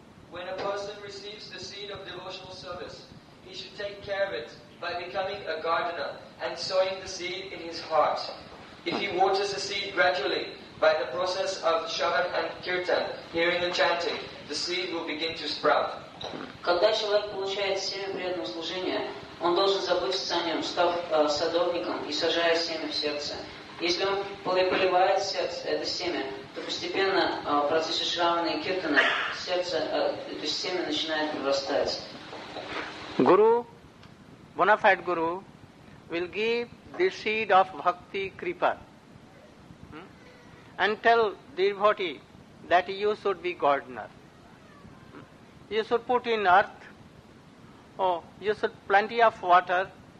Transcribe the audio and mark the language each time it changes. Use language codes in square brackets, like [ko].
[en] When a person receives the seed of devotional service, he should take care of it by becoming a gardener and sowing the seed in his heart. If he waters the seed gradually, by the process of Shravan and Kirtan, hearing and chanting, the seed will begin to sprout. [ru] Когда человек получает семя преданного служения, он должен заботиться о нем, став садовником и сажая семя в сердце. Если он поливает сердце, это семя, то постепенно в процессе Шравана и Киртана сердце, то есть семя начинает прорастать. [en] Guru, bona fide guru, will give the seed of bhakti kripa and tell the devotee that you should be gardener. You should put in earth, you should plenty of water.